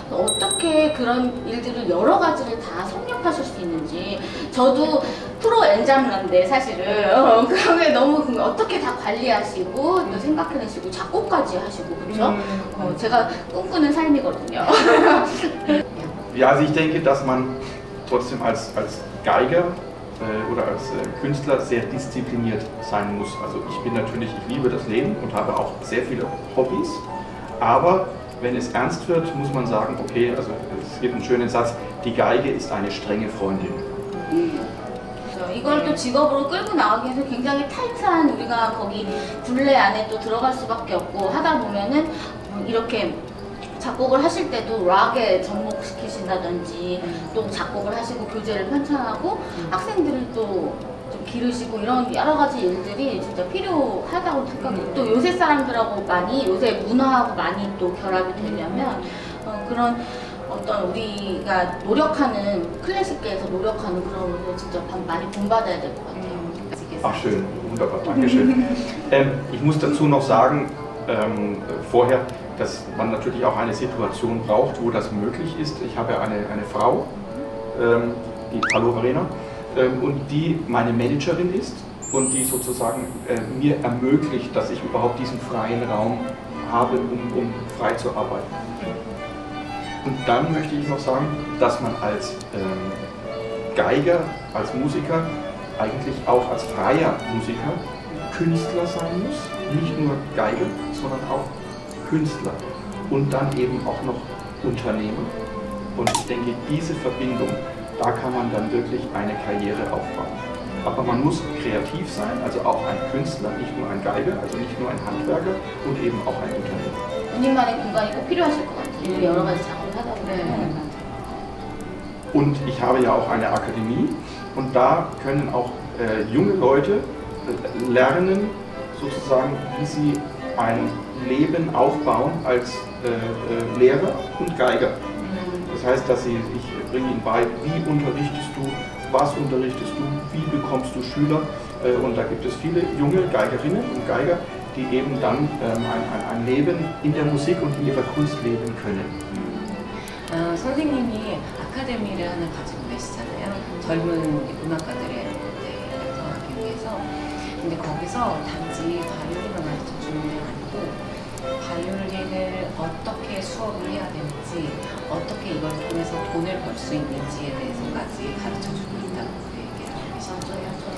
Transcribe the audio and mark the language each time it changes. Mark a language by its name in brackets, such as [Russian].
[Korean] 어떻게 그런 일들을 여러 가지를 다 섭렵하실 수 있는지. 저도 프로 엔자머인데 사실은 그러면 너무 어떻게 다 관리하시고 또 생각해내시고 작곡까지 하시고 그렇죠? 제가 꿈꾸는 삶이거든요. [German] Ja, also ich denke, dass man trotzdem als Geiger oder als Künstler sehr diszipliniert sein muss. Also ich bin natürlich, ich liebe das Leben und habe auch sehr viele Hobbys. Aber wenn es ernst wird, muss man sagen, okay, also es gibt einen schönen Satz, die Geige ist eine strenge Freundin. [Korean] 이걸 또 직업으로 끌고 나가기 위해서 굉장히 타이트한 우리가 거기 굴레 안에 또 들어갈 수밖에 없고 하다 보면은 이렇게 작곡을 하실 때도 락에 접목시키신다든지 또 작곡을 하시고 교재를 편찬하고 학생들을 또 기르시고 이런 여러 가지 일들이 진짜 필요하다고 생각해요. 또 요새 사람들하고 많이 요새 문화하고 많이 또 결합이 되려면 그런 어떤 우리가 노력하는 클래식계에서 노력하는 그런 걸 진짜 많이 본받아야 될 것 같아요. [German] 아, schön, wunderbar, danke schön. Ich muss dazu noch sagen, vorher, dass man natürlich auch eine Situation braucht, wo das möglich ist. Ich habe eine Frau, die Hallo Verena. Und die meine Managerin ist und die sozusagen mir ermöglicht, dass ich überhaupt diesen freien Raum habe, um frei zu arbeiten. Und dann möchte ich noch sagen, dass man als Geiger, als Musiker, eigentlich auch als freier Musiker Künstler sein muss. Nicht nur Geiger, sondern auch Künstler. Und dann eben auch noch Unternehmer. Und ich denke, diese Verbindung, da kann man dann wirklich eine Karriere aufbauen. Aber man muss kreativ sein, also auch ein Künstler, nicht nur ein Geiger, also nicht nur ein Handwerker und eben auch ein Unternehmer. [Korean] 본인만의 공간이 꼭 필요하실 것 같아요. 여러 가지 작업을 하다 보면. [German] Und ich habe ja auch eine Akademie und da können auch junge Leute lernen, sozusagen, wie sie ein Leben aufbauen als Lehrer und Geiger. Das heißt, dass sie sich Ich bringe ihnen bei, wie unterrichtest du, was unterrichtest du, wie bekommst du Schüler. Und da gibt es viele junge Geigerinnen und Geiger, die eben dann ein Leben in der Musik und in ihrer Kunst leben können. [Korean] 선생님이 아카데미를 하나 가지고 계시잖아요. 젊은 음악가들의 대학에 대해서. 근데 거기서 단지 바이올린만 가르쳐 주는 게 아니고, 바이올린을 어떻게 수업을 해야 되는지, 어떻게 이걸 통해서 돈을 벌 수 있는지에 대해서까지 가르쳐 주고 있다고 얘기하셨어요.